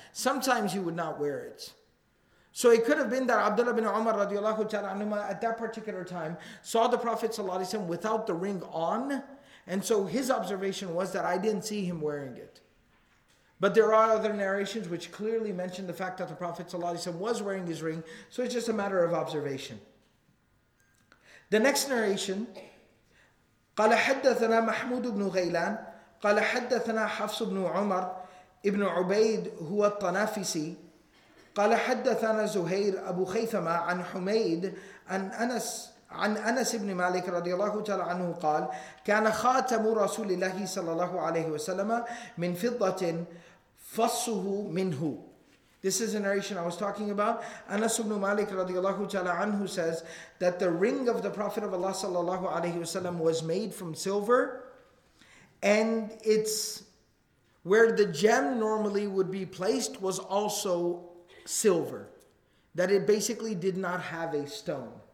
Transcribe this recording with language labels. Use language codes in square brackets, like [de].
[en] Sometimes he would not wear it. So it could have been that Abdullah bin Umar radiallahu ta'ala anhuma at that particular time saw the Prophet sallallahu alayhi wa sallam without the ring on. And so his observation was that I didn't see him wearing it. But there are other narrations which clearly mention the fact that the Prophet sallallahu alayhi wa sallam was wearing his ring. So it's just a matter of observation. The next narration, [ar] قال حدثنا محمود بن غيلان قال حدثنا حفص بن عمر ابن عبيد هو الطنافسي قال حدثنا زهير أبو خيثمة عن حميد عن أنس بن مالك رضي الله تعالى عنه قال كان خاتم رسول الله صلى الله عليه وسلم من فضة فصه منه. [en] This is a narration I was talking about. Anas ibn Malik [ar] رضي الله تعالى عنه [en] says that the ring of the Prophet of Allah [ar] صلى الله عليه وسلم [en] was made from silver, and it's where the gem normally would be placed was also silver, that it basically did not have a stone.